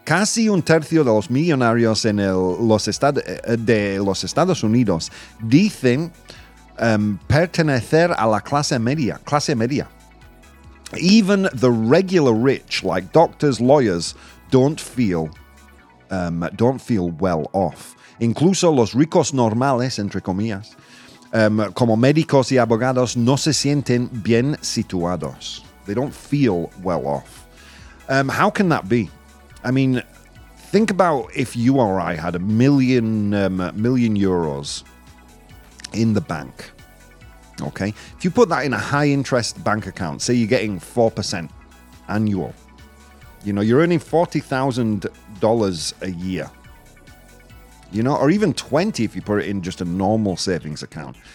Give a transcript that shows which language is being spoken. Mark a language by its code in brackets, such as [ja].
[es] Casi un tercio de los millonarios en los Estados Unidos dicen pertenecer a la clase media. [en] Even the regular rich, like doctors, lawyers, don't feel well off. [es] Incluso los ricos normales, entre comillas, como médicos y abogados, no se sienten bien situados. [en] They don't feel well off. How can that be? I mean, think about if you or I had a million euros in the bank, okay? If you put that in a high-interest bank account, say you're getting 4% annual, you know, you're earning $40,000 a year, you know, or even 20 if you put it in just a normal savings account.